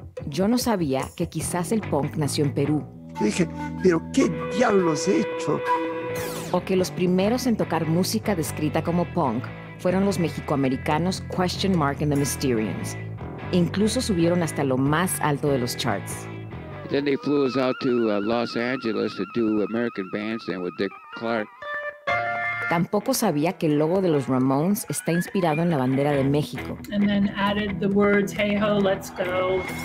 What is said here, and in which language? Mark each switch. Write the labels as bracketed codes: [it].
[es] Yo no sabía que quizás el punk nació en Perú. Dije, ¿pero qué diablos he hecho? O que los primeros en tocar música descrita como punk fueron los mexicoamericanos Question Mark and the Mysterians. Incluso subieron hasta lo más alto de los charts. [en] Then they flew us out to Los Angeles to do American Bandstand with Dick Clark. [es] Tampoco sabía que el logo de los Ramones está inspirado en la bandera de México. [en] And then added the words, hey ho, let's go.